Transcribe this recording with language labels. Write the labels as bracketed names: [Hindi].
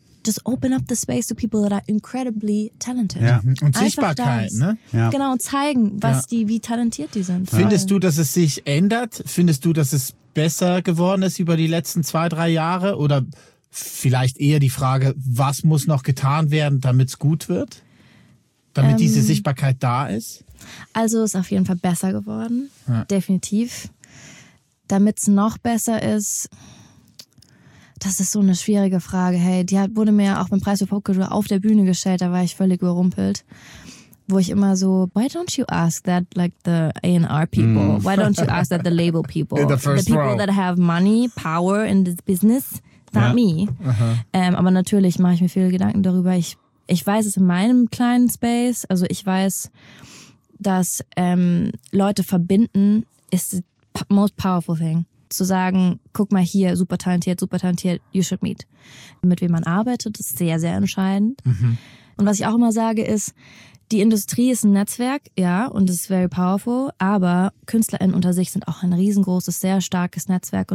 [English] just open up the space to people that are incredibly talented. [German] Ja. Und Sichtbarkeit, ne? Ja. Genau, zeigen, was die, wie talentiert die sind. Findest du, dass es sich ändert? Findest du, dass es besser geworden ist über die letzten 2-3 Jahre? Oder vielleicht eher die Frage, was muss noch getan werden, damit es gut wird? Damit diese Sichtbarkeit da ist? Also ist auf jeden Fall besser geworden, definitiv. Damit es noch besser ist, das ist so eine schwierige Frage. Hey, die wurde mir auch beim Preis für Popkultur auf der Bühne gestellt, da war ich völlig überrumpelt. Wo ich immer so, [English] why don't you ask that like the A&R people? Why don't you ask that the label people? In the first the people row. That have money, power in this business, not me. [German] Aber natürlich mache ich mir viele Gedanken darüber. Ich weiß es in meinem kleinen Space. Also ich weiß, dass Leute verbinden ist [English] the most powerful thing. [German] Zu sagen, guck mal hier, super talentiert, [English] you should meet. [German] Mit wem man arbeitet, ist sehr, sehr entscheidend. Mhm. Und was ich auch immer sage ist, die Industrie ist ein Netzwerk, ja, und es ist [English] very powerful, [German] aber KünstlerInnen unter sich sind auch ein riesengroßes, sehr starkes Netzwerk.